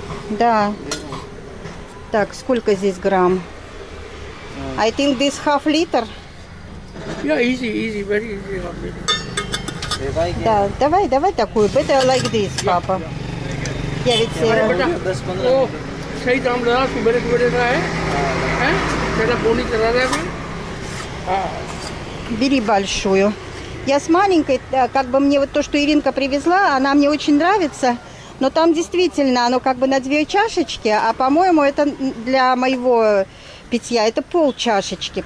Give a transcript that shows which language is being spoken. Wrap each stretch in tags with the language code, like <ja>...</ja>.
<ru>Да. Так, сколько здесь грамм?</ru> <en>I think this half liter. Yeah, easy, very easy half liter.</en> <ru>Да, давай такую.</ru> <en>Better like this,</en> <ru>папа. Я ведь сыра. Сейчас там ладно, субтитры сделаем. Бери большую. Я с маленькой, как бы мне вот то, что Иринка привезла, она мне очень нравится. Но там действительно оно как бы на 2 чашечки, а по-моему это для моего питья, это пол чашечки.</ru>